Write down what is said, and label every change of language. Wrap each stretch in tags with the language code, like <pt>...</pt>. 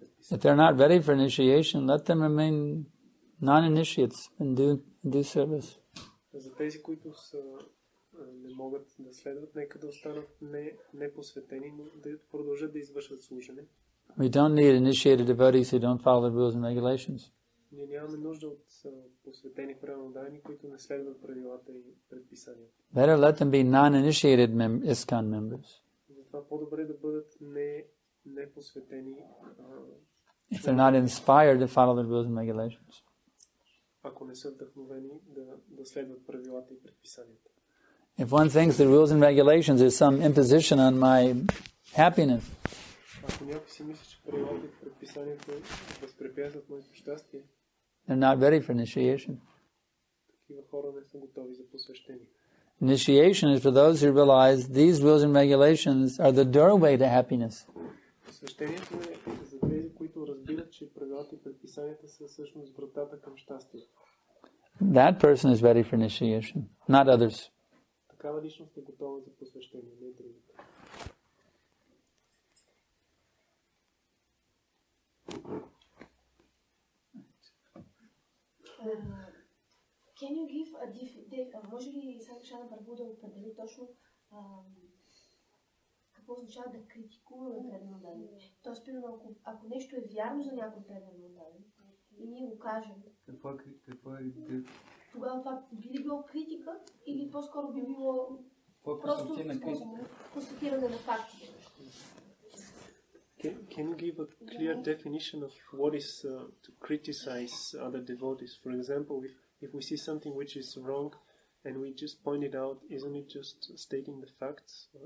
<en>If they're not ready for initiation, let them remain non-initiates and do service.</en> <bg>За тези, които са, не могат да следват, нека да останат непосветени, но да продължат да извършват служене.</bg> <en>We don't need initiated devotees who don't follow the rules and regulations.</en> <bg>Ние нямаме нужда от посветени преданоотдадени, които не следват правилата и предписанията.</bg> <en>Better let them be non-initiated ISKCON members.</en> <bg>Затова по-добре да бъдат непосветени.</bg> <en>If they're not inspired to follow the rules and regulations.</en> <bg>Ако не са вдъхновени да следват правилата и предписанията.</bg> <en>If one thinks the rules and regulations is some imposition on my happiness.</en> <bg>Ако някой си мисли, че правилата и предписанията възпрепятстват моето щастие.</bg> <en>They're not ready for initiation.</en> <bg>Такива хора не са готови за посвещение.</bg> <en>Initiation is for those who realize these rules and regulations are the doorway to happiness.</en> <bg>Посвещението е за тези, които разбират, че правилата и предписанията са всъщност вратата към щастие.</bg> <en>That person is ready for initiation, not others.</en> <bg>Такава личност е готова за посвещение, не другите.</bg> <en>Can you give a</en> <bg>може ли Санкаршан Прабху да определи точно какво означава да критикуваме преданоотдадени? Тоест, примерно, ако нещо е вярно за някой преданоотдаден и ние го кажем, тогава това би ли било критика или по-скоро би било просто констатиране на фактите?</bg> <en>Can you give a clear definition of what is to criticize other devotees? For example, if we see something which is wrong and we just point it out, isn't it just stating the facts?</en>